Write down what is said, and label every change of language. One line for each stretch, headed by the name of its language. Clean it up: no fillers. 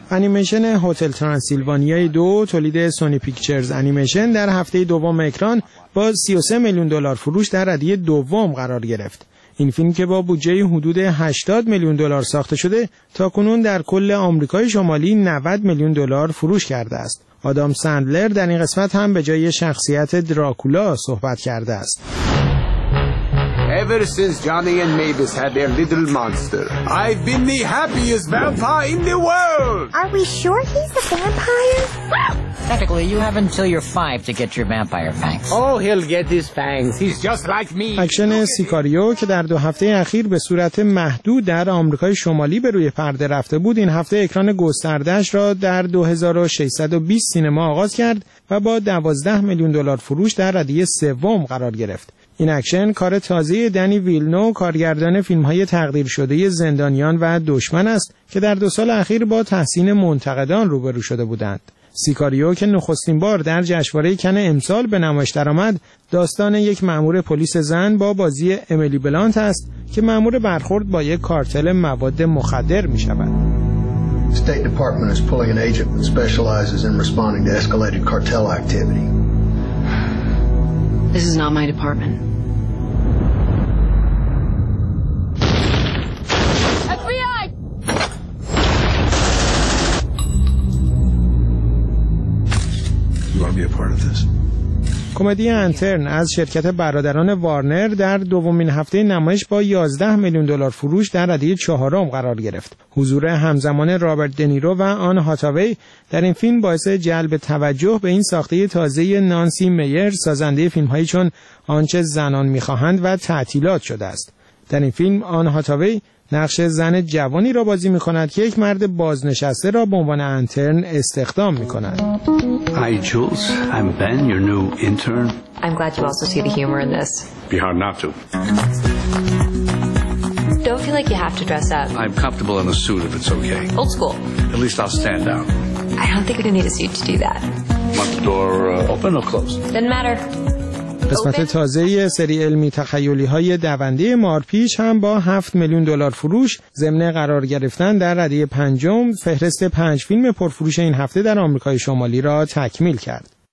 Persian: انیمیشن هتل ترانسیلوانیای 2 تولید سونی پیکچرز انیمیشن در هفته دوم اکران با 33 میلیون دلار فروش در ردیه دوم قرار گرفت. این فیلم که با بودجه حدود 80 میلیون دلار ساخته شده تاکنون در کل آمریکای شمالی 90 میلیون دلار فروش کرده است. آدام سندلر در این قسمت هم به جای شخصیت دراکولا صحبت کرده است.
English: Ever since Johnny and Mavis had their little monster, I've been the happiest vampire in the world. Are we sure he's a vampire? Technically, you have until you're 5 to get your vampire fangs. Oh, he'll get his fangs. He's just like me.
Persian: اکشن سیکاریو که در 2 هفته اخیر به صورت محدود در آمریکای شمالی به روی پرده رفته بود، این هفته اکران گسترده‌اش را در 2620 سینما آغاز کرد و با 12 میلیون دلار فروش در ردیه سوم قرار گرفت. این اکشن کار تازه دنی ویلنو، کارگردان فیلم‌های تقدیر شده زندانیان و دشمن است که در 2 سال اخیر با تحسین منتقدان روبرو شده بودند. سیکاریو که نخستین بار در جشنواره کن امسال به نمایش درآمد، داستان یک مأمور پلیس زن با بازی امیلی بلانت است که مأمور برخورد با یک کارتل مواد مخدر می‌شود.
English: State Department is pulling an agent that specializes in responding to escalated cartel activity. This is not my department. FBI! You want to be a part of this?
Persian: کمدی انترن از شرکت برادران وارنر در 2 هفته نمایش با 11 میلیون دلار فروش در ردیه 4 قرار گرفت. حضور همزمان رابرت دنیرو و آن هاتاوی در این فیلم باعث جلب توجه به این ساخته تازه نانسی میر، سازنده فیلم‌هایی چون آنچه زنان می‌خواهند و تعطیلات شده است. در این فیلم آن هاتاوی نقش زن جوانی را بازی می‌کند که یک مرد بازنشسته را به عنوان انترن استخدام می‌کند.
English: Hi Jules, I'm Ben, your new intern. I'm glad you also see the humor in this. Be hard not to. Don't feel like you have to dress up. I'm comfortable in a suit if it's okay. Old school. At least I'll stand out. I don't think we need a suit to do that. Want the door open or closed? Doesn't matter.
Persian: قسمت تازه سری علمی تخیلی های دونده مارپیچ هم با 7 میلیون دلار فروش ضمن قرار گرفتن در رده پنجم فهرست 5 فیلم پرفروش این هفته در آمریکای شمالی را تکمیل کرد.